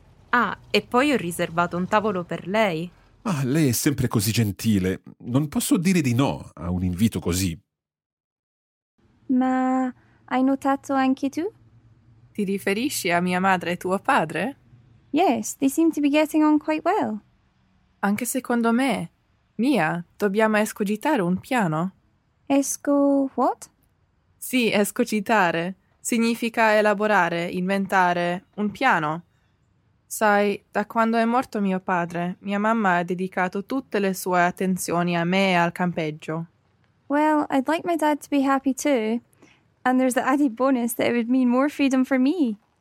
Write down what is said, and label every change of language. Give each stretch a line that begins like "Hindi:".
Italian: Ah, e poi ho riservato un tavolo per lei. Ah, lei è sempre così gentile. Non posso dire di no a un invito così. Ma hai notato anche tu? Ti riferisci a mia madre e tuo padre?
English: Yes, they seem to be getting on quite well.
Italian: Anche secondo me. Mia, dobbiamo escogitare un piano.
English: Esco what?
Italian: Sì, escogitare. Significa elaborare, inventare un piano. Sai, da quando è morto mio padre, mia mamma ha dedicato tutte le sue attenzioni a me e al campeggio.
English: Well, I'd like my dad to be happy too. And there's the added bonus that it would mean more freedom for me.